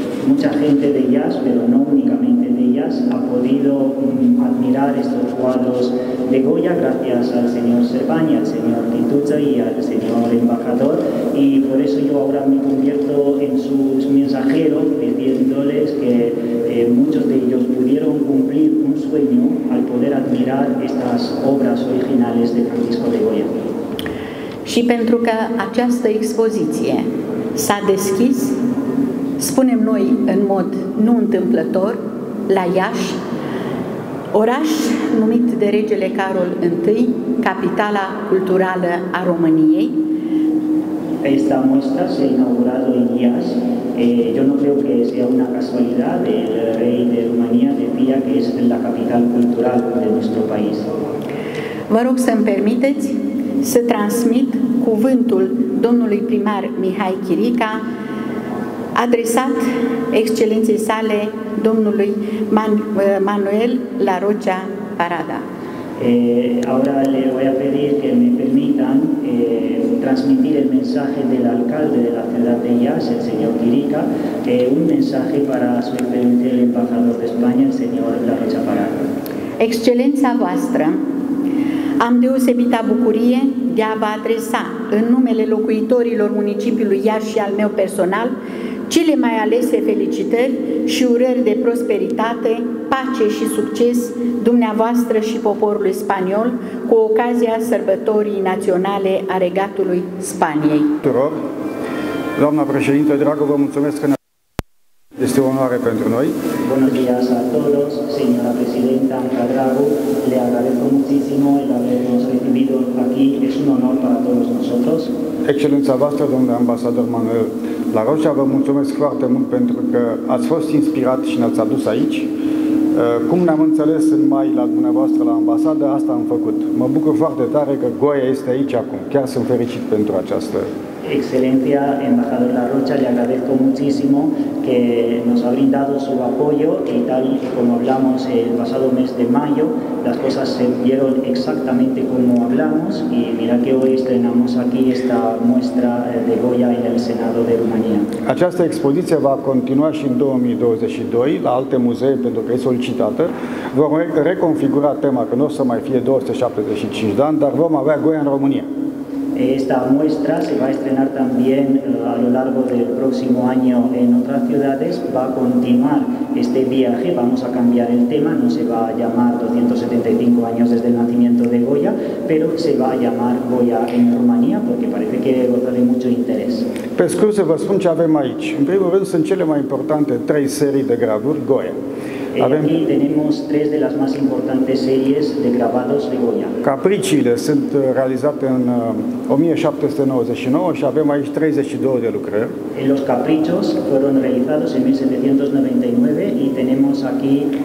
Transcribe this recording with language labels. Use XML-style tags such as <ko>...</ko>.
<es>Mucha gente de jazz, pero no únicamente de jazz, ha podido admirar estos cuadros de Goya gracias al señor Serván, al señor Quintuza y al señor embajador. Y por eso yo ahora me convierto en su mensajero, diciéndoles que muchos de ellos pudieron cumplir un sueño al poder admirar estas obras originales de Francisco de Goya.</es> <ro>Și pentru că această expoziție s-a deschis, spunem noi, în mod nu întâmplător, la Iași, oraș numit de regele Carol I, capitala culturală a României.</ro> <es>Esta muestra se ha inaugurado en Iași. Yo no creo que sea una casualidad, el rey de România decía que es la capital cultural de nuestro país.</es> <ro>Vă rog să-mi permiteți să transmit cuvântul domnului primar Mihai Chirica, adresat excelenței sale domnului Manuel La Rocha Parada.</ro> <es>Ahora le voy a pedir que me permitan transmitir el mensaje del alcalde de la ciudad de Iași, el señor Chirica, un mensaje para su excelencia el embajador de España, el señor La Rocha Parada.</es> <ro>Excelența voastră, am deosebita bucurie de a vă adresa în numele locuitorilor municipiului Iași și al meu personal cele mai alese felicitări și urări de prosperitate, pace și succes dumneavoastră și poporului spaniol cu ocazia sărbătorii naționale a Regatului Spaniei. Tuturor, doamna președinte, dragă, vă mulțumesc că este o onoare pentru noi. Bună ziua</ro> <es>a todos, señora presidenta,</es> <ro>încă dragă,</ro> <es>le agradezco muchísimo el habernos recibido aquí, es un honor para todos nosotros.</es> <ro>Excelența voastră, domnule ambasador Manuel La Rocha, vă mulțumesc foarte mult pentru că ați fost inspirat și ne-ați adus aici. Cum ne-am înțeles în mai la dumneavoastră, la ambasadă, asta am făcut. Mă bucur foarte tare că Goya este aici acum. Chiar sunt fericit pentru această...</ro> <es>Excelencia, embajador La Rocha, le agradezco muchísimo que nos ha brindado su apoyo y tal como hablamos el pasado mes de mayo, las cosas se dieron exactamente como hablamos y mira que hoy estrenamos aquí esta muestra de Goya en el Senado de Rumanía.</es> <ro>Această expoziție va continua și în 2022 la alte muzee pentru că e solicitată. Vom reconfigura tema că nu o să mai fie 275 de ani, dar vom avea Goya în România.</ro> <es>Esta muestra se va a estrenar también a lo largo del próximo año en otras ciudades, va a continuar este viaje, vamos a cambiar el tema, no se va a llamar 275 años desde el nacimiento de Goya, pero se va a llamar Goya en Rumanía porque parece que goza de mucho interés.</es> <ro>Pe scurt să vă spun ce avem aici. În primul rând sunt cele mai importante trei serii de gravuri Goya. Avem...</ro> <es>Aquí tenemos tres de las más importantes series de grabados de Goya.</es> <ro>Capriciile sunt realizate în 1799 și avem aici 32 de lucrări.</ro> <es>Los caprichos fueron realizados en 1799 y tenemos aquí...</es>